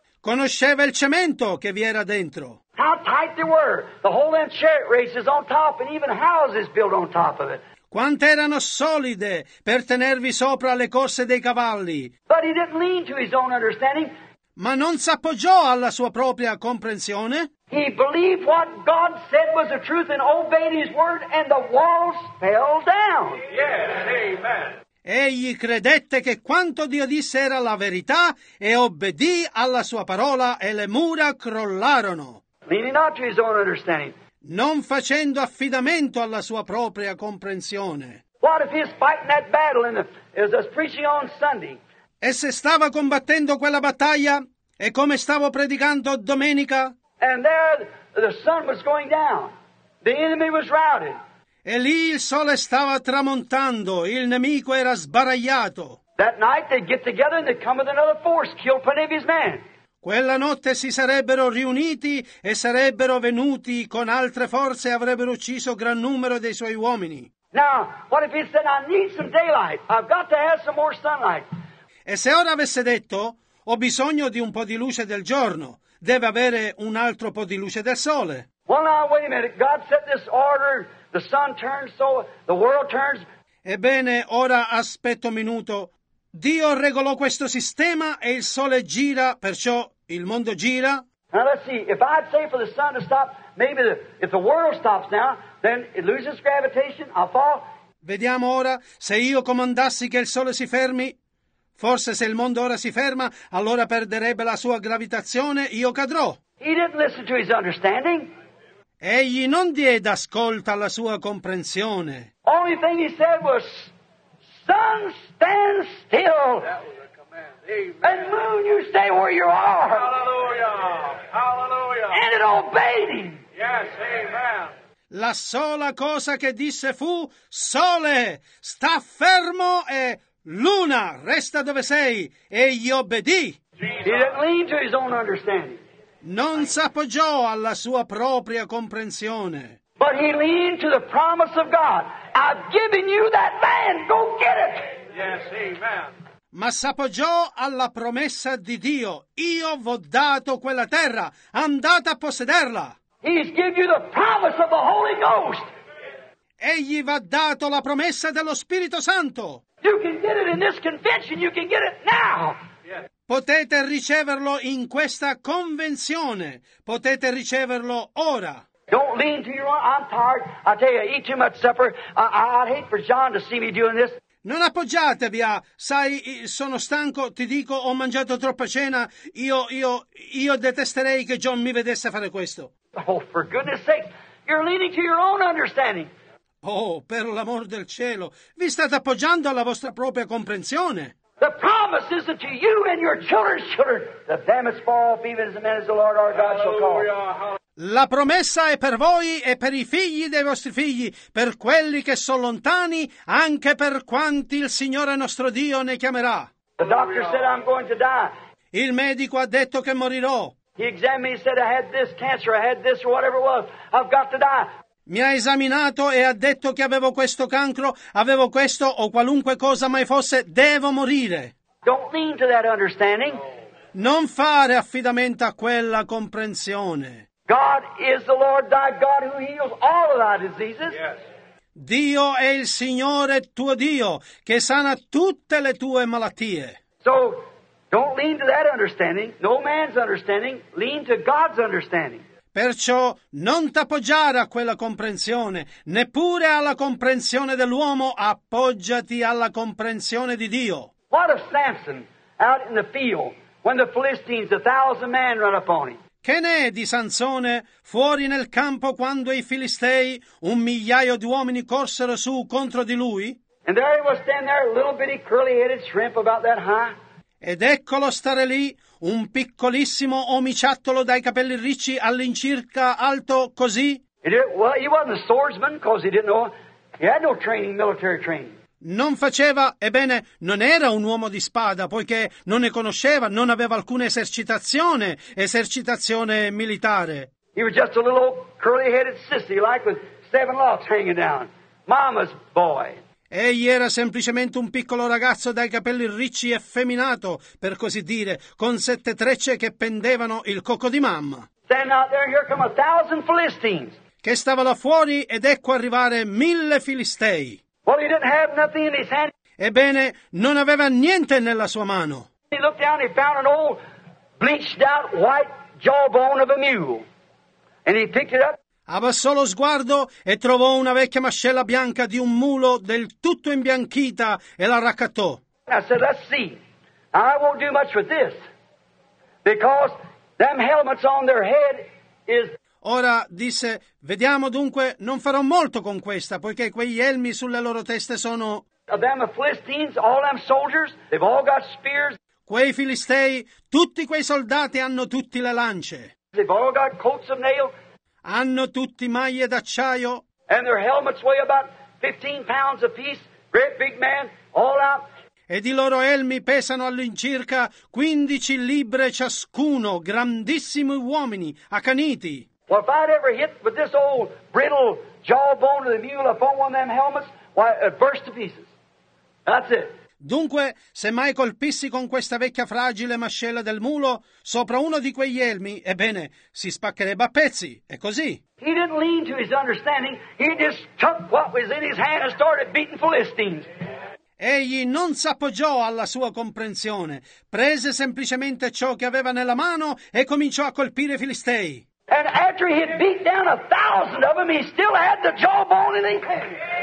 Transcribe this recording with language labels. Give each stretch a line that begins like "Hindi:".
Italian: Conosceva il cemento che vi era dentro.
English: How tight they were, the whole land chariot races on top and even houses built on top of it.
Italian: Quante erano solide per tenervi sopra le corse dei cavalli.
English: But he didn't lean to his own understanding.
Italian: Ma non si appoggiò alla sua propria comprensione.
English: He believed what God said was the truth and obeyed his word and the walls fell down. Yes, amen.
Italian: Egli credette che quanto Dio disse era la verità e obbedì alla sua parola e le mura crollarono.
English: Leaning not to his own understanding.
Italian: Non facendo affidamento alla sua propria comprensione.
English: What if he's fighting that battle and the, It was preaching on Sunday.
Italian: E se stava combattendo quella battaglia, e come stavo predicando domenica?
English: And there the sun was going down. The enemy was routed.
Italian: E lì il sole stava tramontando, il nemico era sbaragliato.
English: That night they'd get together and they'd come with another force, kill plenty of his men.
Italian: Quella notte si sarebbero riuniti e sarebbero venuti con altre forze e avrebbero ucciso gran numero dei suoi uomini.
English: Now, what if he said, I need some daylight, I've got to have some more sunlight.
Italian: E se ora avesse detto, ho bisogno di un po' di luce del giorno, deve avere un altro po' di luce del sole.
English: Well now, wait a minute, God set this order, the sun turns so the world turns.
Italian: Ebbene, ora aspetta un minuto. Dio regolò questo sistema e il sole gira, perciò il mondo gira.
English: Now let's see, if I'd say for the sun to stop, maybe the, if the world stops now, then it loses gravitation, I'll fall.
Italian: Vediamo ora, se io comandassi che il sole si fermi, forse se il mondo ora si ferma, allora perderebbe la sua gravitazione, io cadrò.
English: He didn't listen to his understanding.
Italian: Egli non diede ascolto alla sua comprensione.
English: Only thing he said was, sun, stand still. And moon, you stay where you are. Hallelujah. Hallelujah. And it obeyed him. Yes, amen.
Italian: La sola cosa che disse fu, sole, sta fermo e luna, resta dove sei. Egli obbedì.
English: He didn't lean to his own understanding.
Italian: Non s'appoggiò alla sua propria comprensione.
English: But he leaned to the promise of God. I've given you that land, go get it. Yes, amen.
Italian: Ma s'appoggiò alla promessa di Dio. Io v'ho dato quella terra, andate a possederla.
English: He's given you the promise of the Holy Ghost.
Italian: Egli v'ha dato la promessa dello Spirito Santo.
English: You can get it in this convention, you can get it now.
Italian: Potete riceverlo in questa convenzione. Potete riceverlo ora.
English: Don't lean to your own. I'm tired. I tell you, I eat too much supper. I'd hate for John to see me doing this.
Italian: Non appoggiatevi a, sai, sono stanco, ti dico, ho mangiato troppa cena. Io detesterei che John mi vedesse fare questo.
English: Oh, for goodness sake, you're leaning to your own understanding.
Italian: Oh, per l'amor del cielo, vi state appoggiando alla vostra propria comprensione.
English: The promise isn't to you and your children's children. The famous fall of even as the man as the Lord our God shall call.
Italian: La promessa è per voi e per i figli dei vostri figli, per quelli che sono lontani, anche per quanti il Signore nostro Dio ne chiamerà.
English: The doctor said I'm going to die.
Italian: Il medico ha detto che morirò.
English: He examined me and said I had this cancer, I had this or whatever it was. I've got to die.
Italian: Mi ha esaminato e ha detto che avevo questo cancro, avevo questo o qualunque cosa mai fosse, devo morire.
English: Don't lean to that understanding.
Italian: Non fare affidamento a quella comprensione.
English: God is the Lord thy God who heals all of thy diseases. Yes.
Italian: Dio è il Signore tuo Dio che sana tutte le tue malattie.
English: So don't lean to that understanding, no man's understanding, lean to God's understanding.
Italian: Perciò non t'appoggiare a quella comprensione, neppure alla comprensione dell'uomo, appoggiati alla comprensione di Dio.
English: What of Samson out in the field when the Philistines, 1,000 men run upon him?
Italian: Che ne è di Sansone fuori nel campo quando i Filistei, 1,000,000 di uomini, corsero su contro di lui?
English: And there he was standing there, a little bitty curly-headed shrimp about that high.
Italian: Ed eccolo stare lì, un piccolissimo omiciattolo dai capelli ricci all'incirca alto così.
English: He wasn't a swordsman because he didn't know. He had no training, military training.
Italian: Non faceva, ebbene, non era un uomo di spada poiché non ne conosceva, non aveva alcuna esercitazione militare.
English: He was just a little curly-headed sissy like with 7 locks hanging down. Mama's boy.
Italian: Egli era semplicemente un piccolo ragazzo dai capelli ricci e femminato, per così dire, con 7 trecce che pendevano il cocco di mamma.
English: Stand out there, here come 1,000 Philistines.
Italian: Che stava là fuori ed ecco arrivare 1,000 Filistei.
English: Well, he didn't have nothing in his hand.
Italian: Ebbene, non aveva niente nella sua mano.
English: He looked down, he found an old bleached out white jawbone of a mule. And he picked it up.
Italian: Abbassò lo sguardo e trovò una vecchia mascella bianca di un mulo del tutto imbianchita e la raccattò.
English: I said, let's see. I won't do much with this. Because them helmets on their head is...
Italian: Ora disse, vediamo dunque, non farò molto con questa, poiché quegli elmi sulle loro teste sono...
English: of them Philistines, all them soldiers, they've all got spears.
Italian: Quei filistei, tutti quei soldati hanno tutti le lance.
English: They've all got coats of nail.
Italian: Hanno tutti maglie d'acciaio.
English: And their helmets weigh about 15 pounds apiece. Great big man, all out.
Italian: Ed i loro elmi pesano all'incirca 15 libbre ciascuno, grandissimi uomini, accaniti.
English: Well, if I'd ever hit with this old brittle jawbone of the mule upon one of them helmets, why, it'd burst to pieces. That's it.
Italian: Dunque, se mai colpissi con questa vecchia fragile mascella del mulo sopra uno di quegli elmi, ebbene, si spaccherebbe a pezzi. È così.
English: He didn't lean to his understanding. He just took what was in his hand and started beating Philistines.
Italian: Egli non s'appoggiò alla sua comprensione, prese semplicemente ciò che aveva nella mano e cominciò a colpire i filistei.
English: And after he had beat down a thousand of them, he still had the jawbone in his hand.